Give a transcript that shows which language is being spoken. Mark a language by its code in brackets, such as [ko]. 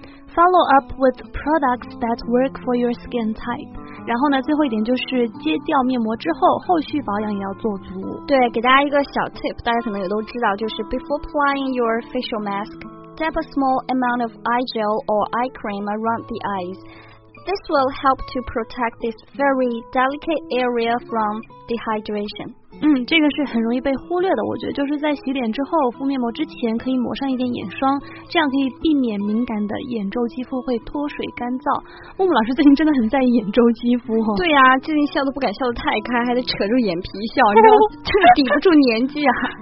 [en] Follow up with products that work for your skin type。 [zh] 然后呢，最后一点就是揭掉面膜之后，后续保养也要做足。对，给大家一个小 tip， 大家可能也都知道，就是 [en] before applying your facial mask， dab a small amount of eye gel or eye cream around the eyes。 This will help to protect this very delicate area from dehydration。 [zh] 这个是很容易被忽略的，我觉得就是在洗脸之后敷面膜之前可以抹上一点眼霜，这样可以避免敏感的眼周肌肤会脱水干燥。木木老师最近真的很在意眼周肌肤哦。对啊，最近笑都不敢笑得太开，还得扯住眼皮笑，你知道这个抵不住年纪啊。